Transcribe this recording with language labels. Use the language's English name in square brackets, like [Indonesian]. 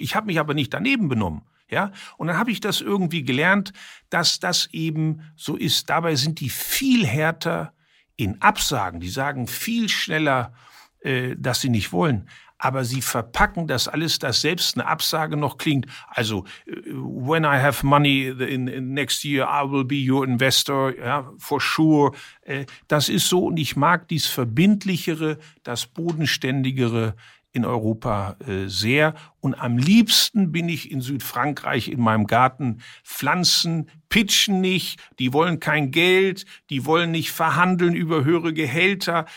[German] Ich habe mich aber nicht daneben benommen. Ja, und dann habe ich das irgendwie gelernt, dass das eben so ist. Dabei sind die viel härter in Absagen. Die sagen viel schneller, dass sie nicht wollen. Aber sie verpacken das alles, dass selbst eine Absage noch klingt. [English] Also, when I have money in next year, I will be your investor, yeah, for sure. [German] Das ist so. Und ich mag dies Verbindlichere, das Bodenständigere in Europa sehr. Und am liebsten bin ich in Südfrankreich in meinem Garten. Pflanzen pitchen nicht, die wollen kein Geld, die wollen nicht verhandeln über höhere Gehälter.